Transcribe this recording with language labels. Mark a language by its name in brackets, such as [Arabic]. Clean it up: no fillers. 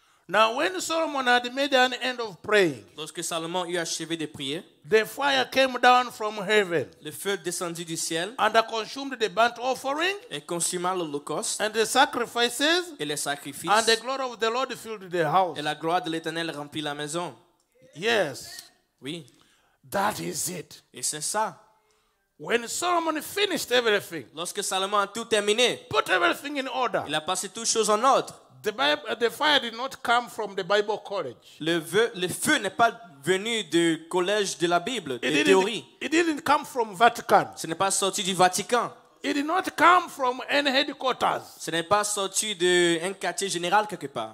[English] Now when Solomon had made an end of praying, [French] lorsque Salomon eut achevé de prier, [English] the fire came down from heaven, [French] le feu descendit du ciel, [English] and consumed the burnt offering, [French] et consuma l'holocauste, [English] and the sacrifices, [French] et les sacrifices, [English] and the glory of the Lord filled the house, [French] et la gloire de l'Éternel remplit la maison. [English] Yes. [French] Oui. [English] That is it. [French] Et c'est ça. [English] When Solomon finished everything, [French] lorsque Salomon a tout terminé, [English] put everything in order, [French] il a passé toutes choses en ordre, [English] The fire did not come from the Bible college. [French] Le feu n'est pas venu du collège de la Bible, des théories. [English] It didn't come from Vatican. [French] Ce n'est pas sorti du Vatican. [English] It did not come from any headquarters. [French] Ce n'est pas sorti de un quartier général quelque part.